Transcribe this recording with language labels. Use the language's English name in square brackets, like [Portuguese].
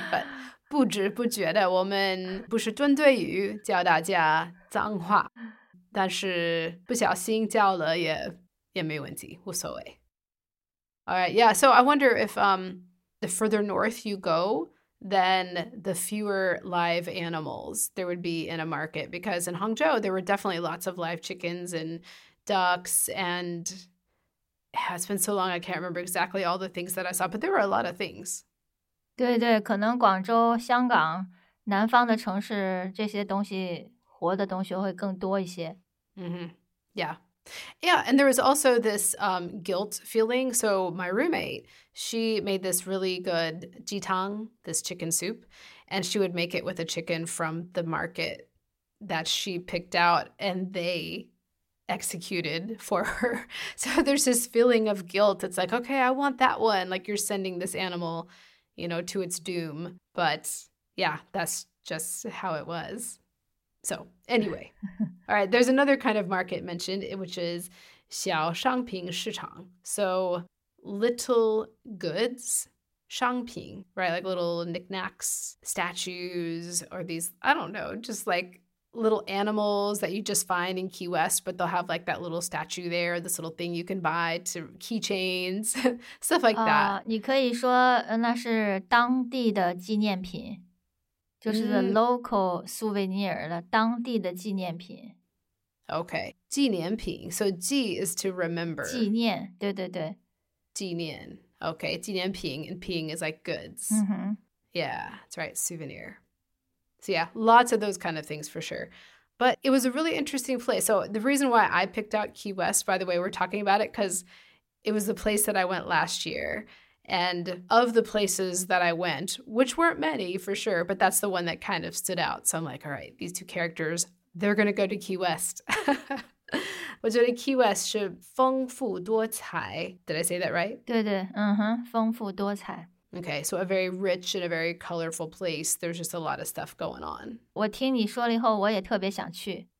[Chinese] But 不知不觉的，我们不是针对于教大家脏话，但是不小心教了也没问题，无所谓。 [English] All right, yeah. So I wonder if the further north you go, then the fewer live animals there would be in a market. Because in Hangzhou, there were definitely lots of live chickens and ducks. And it's been so long, I can't remember exactly all the things that I saw, but there were a lot of things. [Chinese] 对对，可能广州、香港、南方的城市，这些东西，活的东西会更多一些。 [English] Mm-hmm. Yeah. Yeah, and there was also this guilt feeling. So my roommate, she made this really good jitang, this chicken soup, and she would make it with a chicken from the market that she picked out and they executed for her. So there's this feeling of guilt. It's like, okay, I want that one. Like you're sending this animal, you know, to its doom. But yeah, that's just how it was. So anyway, all right, there's another kind of market mentioned, which is 小商品市场. So little goods, 商品, right? Like little knickknacks, statues, or these, I don't know, just like little animals that you just find in Key West, but they'll have like that little statue there, this little thing you can buy to keychains, stuff like that. [Chinese] 你可以说那是当地的纪念品。就是 [English] the local souvenir, [Chinese] 当地的纪念品。 [English] Okay, 纪念品。So 纪 is to remember. [Chinese] 纪念,对对对。 [English] 纪念。Okay, 纪念品 and 品 is like goods. Mm-hmm. Yeah, that's right, souvenir. So yeah, lots of those kind of things for sure. But it was a really interesting place. So the reason why I picked out Key West, by the way, we're talking about it because it was the place that I went last year. And of the places that I went, which weren't many for sure, but that's the one that kind of stood out. So I'm like, all right, these two characters, they're going to go to Key West. [Chinese] 我觉得 Key West 是丰富多彩。 [English] Did I say that right? [Chinese] 对对，嗯哼，丰富多彩。 [English] Okay, so a very rich and a very colorful place. There's just a lot of stuff going on. [Chinese] 我听你说了以后，我也特别想去。